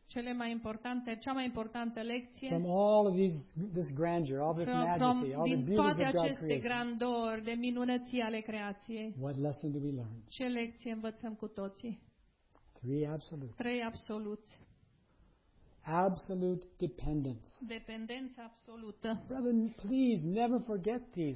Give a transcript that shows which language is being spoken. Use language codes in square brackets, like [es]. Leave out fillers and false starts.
[ro] cele mai importante, cea mai importantă lecție, [en] from all of these, this grandeur, all this majesty, all the beauty of God's creation, [ro] din toate aceste grandori, de minunății ale creației, [en] what lesson do we learn? [ro] Ce lecție învățăm cu toții? [en] Three absolutes. [ro] Trei absoluți. [en] Absolute dependence. [ro] Dependență absolută. [en] Brother, please never forget these.